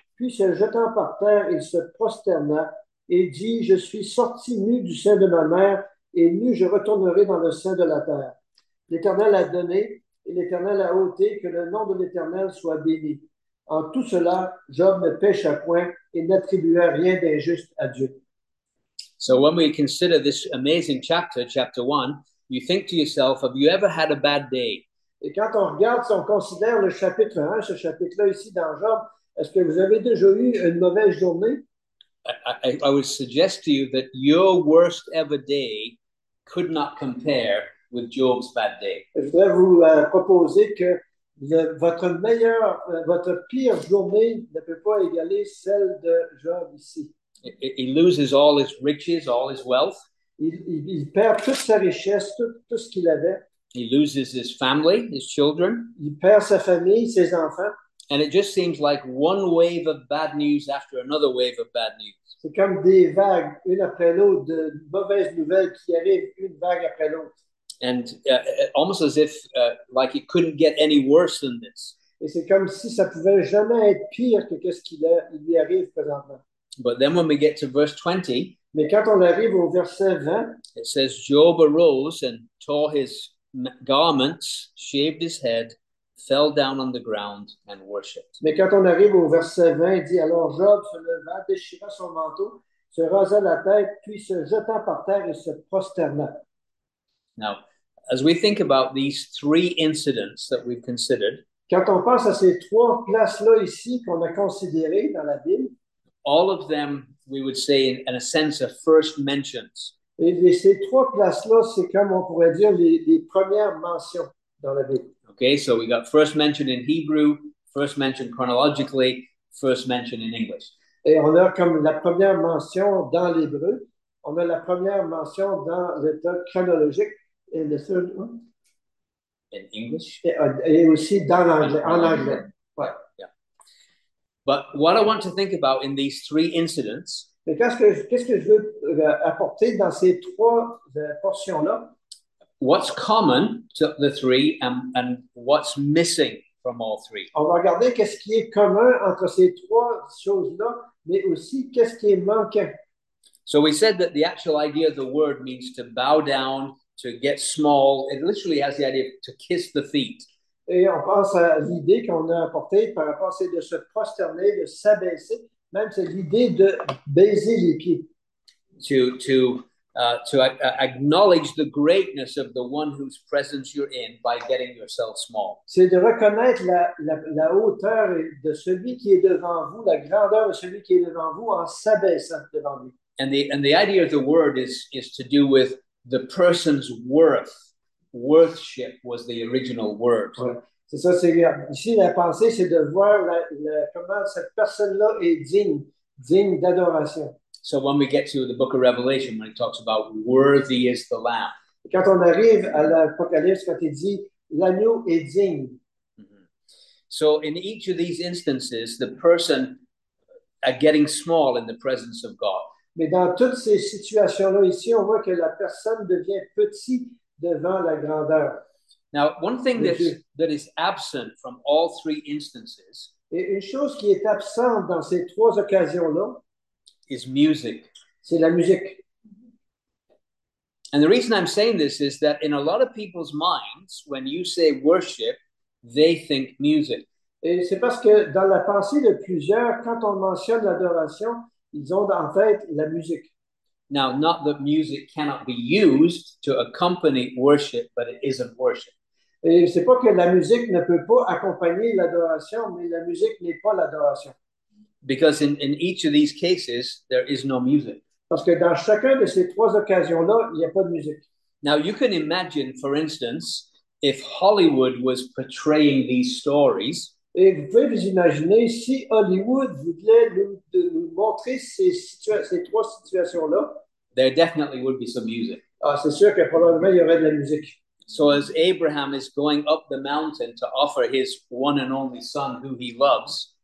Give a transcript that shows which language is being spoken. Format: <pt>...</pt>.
<fr>Puis se jetant par terre, il se prosterna et dit, « Je suis sorti nu du sein de ma mère. » Et nu, je retournerai dans le sein de la terre. L'Éternel a donné, et l'Éternel a ôté, que le nom de l'Éternel soit béni. En tout cela, Job ne pécha point et n'attribua rien d'injuste à Dieu.</fr> <en>So when we consider this amazing chapter, chapter 1, you think to yourself, have you ever had a bad day?</en> <fr>Et quand on regarde, si on considère le chapitre 1, ce chapitre-là ici dans Job, est-ce que vous avez déjà eu une mauvaise journée?</fr> <en>I would suggest to you that your worst ever day could not compare with Job's bad day.</en> <fr>Je voudrais vous proposer que votre pire journée ne peut pas égaler celle de Job ici.</fr> <en>He loses all his riches, all his wealth.</en> <fr>Il perd toute sa richesse, tout ce qu'il avait.</fr> <en>He loses his family, his children.</en> <fr>Il perd sa famille, ses enfants.</fr> <en>And it just seems like one wave of bad news after another wave of bad news.</en> <fr>C'est comme des vagues, une après l'autre, de mauvaises nouvelles qui arrivent une vague après l'autre.</fr> <en>And almost as if, like it couldn't get any worse than this.</en> <fr>Et c'est comme si ça pouvait jamais être pire que ce qui lui arrive présentement.</fr> <en>But then when we get to verse 20,</en> <fr>Mais quand on arrive au verset 20,</fr> <en>It says, Job arose and tore his garments, shaved his head, fell down on the ground and worshipped.</en> <fr>Mais quand on arrive au verset 20, il dit, alors Job se leva, déchira son manteau, se rasa la tête, puis se jeta par terre et se prosterna.</fr> <en>Now, as we think about these three incidents that we've considered,</en> <fr>quand on pense à ces trois places-là ici qu'on a considérées dans la Bible,</fr> <en>all of them, we would say, in a sense, are first mentions.</en> <fr>Et ces trois places-là, c'est comme on pourrait dire les premières mentions dans la Bible.</fr> <en>Okay, so we got first mentioned in Hebrew, first mentioned chronologically, first mentioned in English.</en> <fr>Et on a comme la première mention dans l'hébreu, on a la première mention dans l'état chronologique et le</fr> <en>third one. In English?</en> <fr>Et aussi dans l'anglais, en anglais. Ouais.</fr> <en>But what I want to think about in these three incidents,</en> <fr>mais qu'est-ce que je veux apporter dans ces trois portions-là?</fr> <en>What's common to the three and what's missing from all three?</en> <fr>On va regarder qu'est-ce qui est commun entre ces trois choses-là, mais aussi qu'est-ce qui est manquant.</fr> <en>So we said that the actual idea of the word means to bow down, to get small. It literally has the idea to kiss the feet.</en> <fr>Et on pense à l'idée qu'on a apportée par rapport à c'est de se prosterner, de s'abaisser. Même c'est l'idée de baiser les pieds.</fr> <en>To acknowledge the greatness of the one whose presence you're in by getting yourself small.</en> <fr>C'est de reconnaître la hauteur de celui qui est devant vous, la grandeur de celui qui est devant vous en s'abaissant devant lui.</fr> <en>And the idea of the word is to do with the person's worth. Worthship was the original word. Ouais.</en> <fr>C'est ça, c'est ici la pensée, c'est de voir la comment cette personne-là est digne d'adoration.</fr> <en>So when we get to the book of Revelation, when it talks about worthy is the Lamb.</en> <fr>Quand on arrive à l'Apocalypse, quand il dit l'agneau est digne.</fr> <en>So in each of these instances, the person are getting small in the presence of God.</en> <fr>Mais dans toutes ces situations-là ici, on voit que la personne devient petite devant la grandeur.</fr> <en>Now, one thing that is absent from all three instances.</en> <fr>Et une chose qui est absente dans ces trois occasions-là.</fr> <en>Is music.</en> <fr>C'est la musique.</fr> <en>And the reason I'm saying this is that in a lot of people's minds, when you say worship, they think music.</en> <fr>Et c'est parce que dans la pensée de plusieurs, quand on mentionne l'adoration, ils ont en tête la musique.</fr> <en>Now, not that music cannot be used to accompany worship, but it isn't worship.</en> <fr>Et c'est pas que la musique ne peut pas accompagner l'adoration, mais la musique n'est pas l'adoration.</fr> <en>Because in each of these cases, there is no music.</en> <fr>Parce que dans chacun de ces trois occasions-là, il n'y a pas de musique.</fr> <en>Now you can imagine, for instance, if Hollywood was portraying these stories.</en> <fr>Et vous pouvez vous imaginer si Hollywood voulait nous montrer ces trois situations-là.</fr> <en>There definitely would be some music.</en> <fr>Ah, c'est sûr que probablement il y aurait de la musique.</fr> <en>So as Abraham is going up the mountain to offer his one and only son, who he loves.</en>